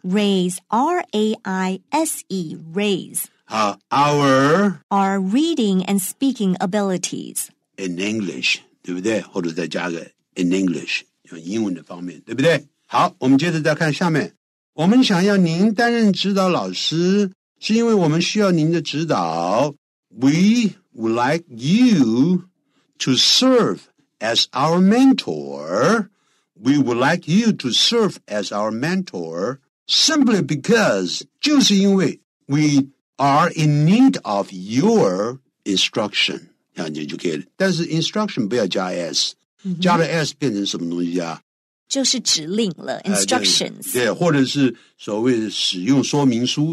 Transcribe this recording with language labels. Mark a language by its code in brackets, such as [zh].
[en] ？Raise, R A I S E, raise. 好 ，our our reading and speaking abilities in English [zh] 对不对？或者再加个 in English 用英文的方面对不对？好，我们接着再看下面，我们想要您担任指导老师。是因为我们需要您的指导 [en] We would like you to serve as our mentor We would like you to serve as our mentor Simply because [zh] 就是因为 [en] We are in need of your instruction [zh] 这样就可以了但是 [en] instruction 不要加 S、 mm-hmm. [zh] 加了 S 变成什么东西啊就是指令了 instructions 对或者是所谓的使用说明书、